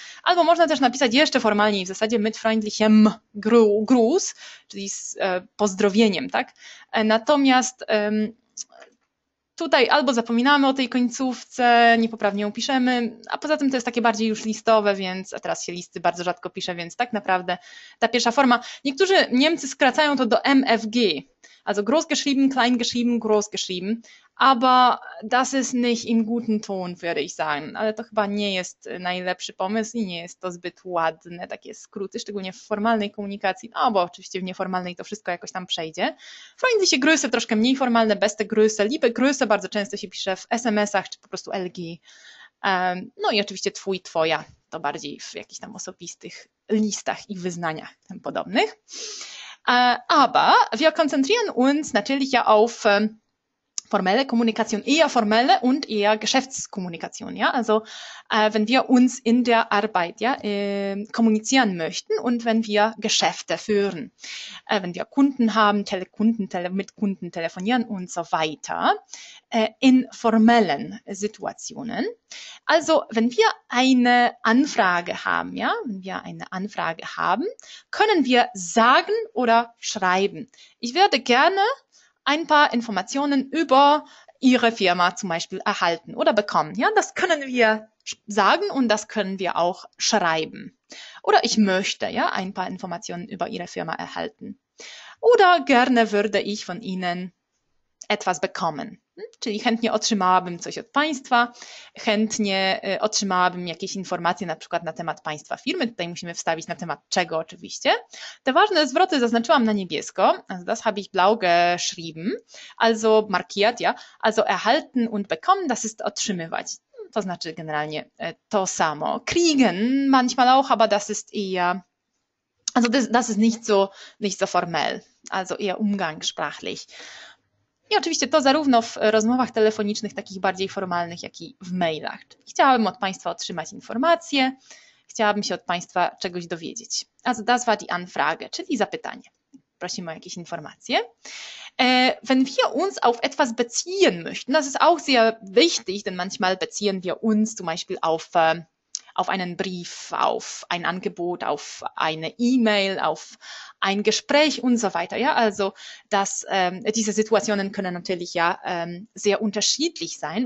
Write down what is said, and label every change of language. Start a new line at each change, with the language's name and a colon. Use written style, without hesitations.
Polish: Albo można też napisać jeszcze formalniej, w zasadzie
German: mit freundlichem Gruß,
Polish: czyli z pozdrowieniem, tak? Natomiast tutaj albo zapominamy o tej końcówce, niepoprawnie ją piszemy, a poza tym to jest takie bardziej już listowe, więc a teraz się listy bardzo rzadko pisze, więc tak naprawdę ta pierwsza forma. Niektórzy Niemcy skracają to do
German: MFG, also groß geschrieben, klein geschrieben, groß geschrieben, aber das ist nicht im guten Ton, würde ich sagen.
Polish: Ale to chyba nie jest najlepszy pomysł i nie jest to zbyt ładne, takie skróty, szczególnie w formalnej komunikacji, no bo oczywiście w nieformalnej to wszystko jakoś tam przejdzie.
German: Freundliche
Polish: się Grüße, troszkę mniej formalne,
German: beste Grüße, liebe Grüße,
Polish: bardzo często się pisze w SMS-ach, czy po prostu LG. No i oczywiście twój, twoja, to bardziej w jakichś tam osobistych listach i wyznaniach tym podobnych.
German: Aber wir konzentrieren uns natürlich ja auf formelle Kommunikation, eher formelle und eher Geschäftskommunikation, ja. Also, wenn wir uns in der Arbeit, ja, kommunizieren möchten und wenn wir Geschäfte führen, wenn wir Kunden haben, mit Kunden telefonieren und so weiter, in formellen Situationen. Also, wenn wir eine Anfrage haben, ja, wenn wir eine Anfrage haben, können wir sagen oder schreiben. Ich würde gerne ein paar Informationen über Ihre Firma zum Beispiel erhalten oder bekommen. Ja, das können wir sagen und das können wir auch schreiben. Oder ich möchte ja ein paar Informationen über Ihre Firma erhalten. Oder gerne würde ich von Ihnen etwas bekommen.
Polish: Czyli chętnie otrzymałabym coś od Państwa, chętnie otrzymałabym jakieś informacje na przykład na temat Państwa firmy. Tutaj musimy wstawić na temat czego oczywiście. Te ważne zwroty zaznaczyłam na niebiesko.
German: Also das habe ich blau geschrieben, also markiert, ja. Also erhalten und bekommen, das ist
Polish: otrzymywać. To znaczy generalnie to samo.
German: Kriegen manchmal auch, aber das ist eher, also das ist nicht so formell, also eher umgangssprachlich.
Polish: I oczywiście to zarówno w rozmowach telefonicznych, takich bardziej formalnych, jak i w mailach. Chciałabym od Państwa otrzymać informacje, chciałabym się od Państwa czegoś dowiedzieć.
German: Also das war die Anfrage,
Polish: czyli zapytanie. Prosimy o jakieś informacje.
German: Wenn wir uns auf etwas beziehen möchten, das ist auch sehr wichtig, denn manchmal beziehen wir uns zum Beispiel auf einen Brief, auf ein Angebot, auf eine E-Mail, auf ein Gespräch und so weiter. Ja, also diese Situationen können natürlich ja sehr unterschiedlich sein.